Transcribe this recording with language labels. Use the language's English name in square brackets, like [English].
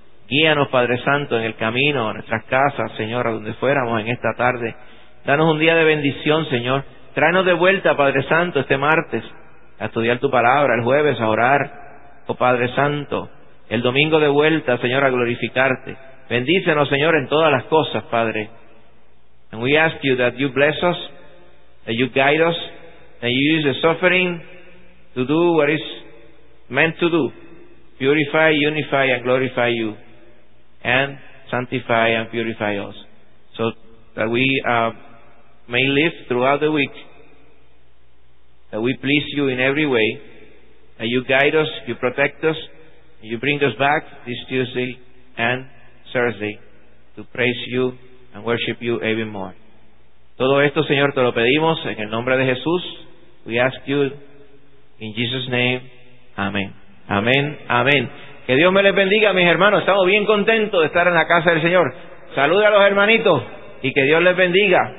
[Spanish] Guíanos, Padre Santo, en el camino, a nuestras casas, Señor, a donde fuéramos en esta tarde. Danos un día de bendición, Señor. Tráenos de vuelta, Padre Santo, este martes, a estudiar tu palabra, el jueves a orar, oh Padre Santo. El domingo de vuelta, Señor, a glorificarte. Bendícenos, Señor, en todas las cosas, Padre. [English] And we ask you that you bless us, that you guide us, that you use the suffering to do what is meant to do. Purify, unify, and glorify you. And sanctify and purify us. So that we may live throughout the week. That we please you in every way. That you guide us, you protect us. And you bring us back this Tuesday and Thursday to praise you and worship you even more. [Spanish] Todo esto, Señor, te lo pedimos en el nombre de Jesús. [English] We ask you in Jesus' name, [Spanish] amén. Amén, amén. Que Dios me les bendiga, mis hermanos. Estamos bien contentos de estar en la casa del Señor. Salude a los hermanitos y que Dios les bendiga.